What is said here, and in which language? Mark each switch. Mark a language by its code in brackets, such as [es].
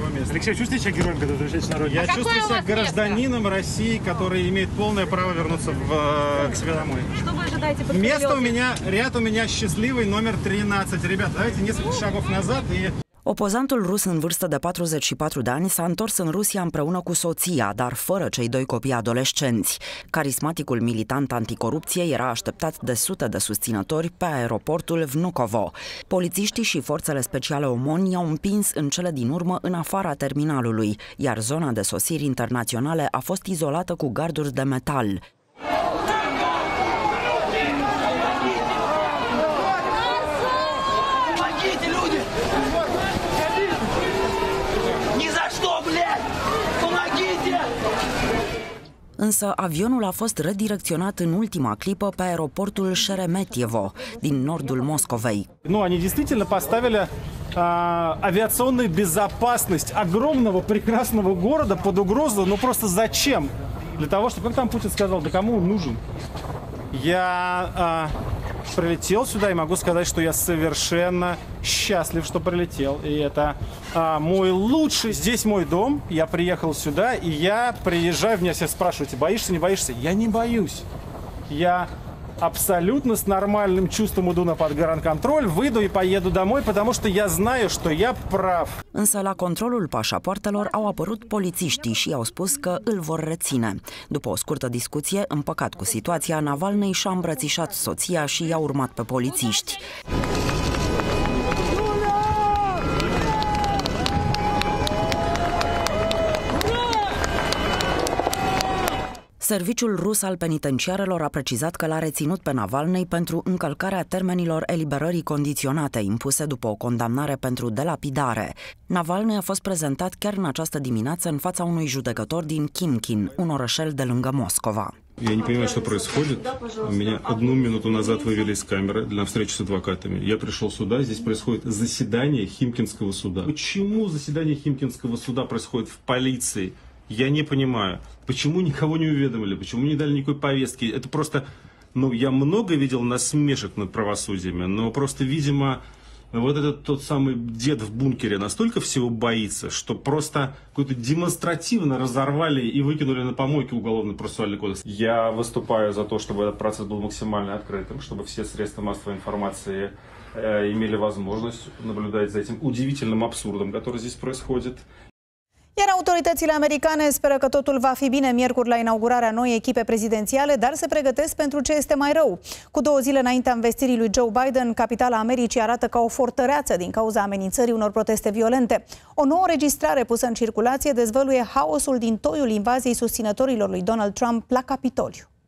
[ru] Алексей, чувствуете себя героем, когда возвращаетесь на родину? Я чувствую себя гражданином России, который имеет полное право вернуться к себе домой. Что вы ожидаете? Место у меня, ряд у меня счастливый, номер 13. Ребята, давайте несколько шагов назад и... [ro] Opozantul rus în vârstă de 44 de ani s-a întors în Rusia împreună cu soția, dar fără cei doi copii adolescenți. Carismaticul militant anticorupție era așteptat de sute de susținători pe aeroportul Vnukovo. Polițiștii și forțele speciale OMON i-au împins în cele din urmă în afara terminalului, iar zona de sosiri internaționale a fost izolată cu garduri de metal. Însă avionul a fost redirecționat în ultima clipă pe aeroportul Sheremetyevo din nordul Moscovei. Nu, ei [ru] действительно поставили авиационную безопасность огромного прекрасного города под угрозу, но просто зачем? Для того, чтобы, как там Путин сказал, да кому он нужен? Я прилетел сюда и могу сказать, что я совершенно счастлив, что прилетел. И это мой лучший. Здесь мой дом. Я приехал сюда и я приезжаю. Меня все спрашивают, боишься, не боишься? Я не боюсь. Я абсолютно с нормальным чувством иду на подгранконтроль, выйду и поеду домой, потому что я знаю, что я прав. [ro] Însă la controlul pașapoartelor au apărut polițiștii și au spus că îl vor reține. După o scurtă discuție, împăcat cu situația, Navalnei și-a îmbrățișat soția și i-a urmat pe polițiști. Serviciul rus al penitenciarelor a precizat că l-a reținut pe Navalnei pentru încălcarea termenilor eliberării condiționate impuse după o condamnare pentru delapidare. Navalnei a fost prezentat chiar în această dimineață în fața unui judecător din Khimkin, un orășel de lângă Moscova. [ru] Я не понимаю, что происходит. Меня одну минуту назад вывели из камеры для встречи с адвокатами. Я пришел сюда, здесь происходит заседание Химкинского суда. Почему заседание Химкинского суда происходит в полиции? Я не понимаю, почему никого не уведомили, почему не дали никакой повестки. Это просто, ну, я много видел насмешек над правосудием, но просто, видимо, вот этот тот самый дед в бункере настолько всего боится, что просто какой-то демонстративно разорвали и выкинули на помойке уголовно-процессуальный кодекс. Я выступаю за то, чтобы этот процесс был максимально открытым, чтобы все средства массовой информации имели возможность наблюдать за этим удивительным абсурдом, который здесь происходит. [ro] Iar autoritățile americane speră că totul va fi bine miercuri la inaugurarea noii echipe prezidențiale, dar se pregătesc pentru ce este mai rău. Cu două zile înaintea învestirii lui Joe Biden, capitala Americii arată ca o fortăreață din cauza amenințării unor proteste violente. O nouă înregistrare pusă în circulație dezvăluie haosul din toiul invaziei susținătorilor lui Donald Trump la Capitoliu.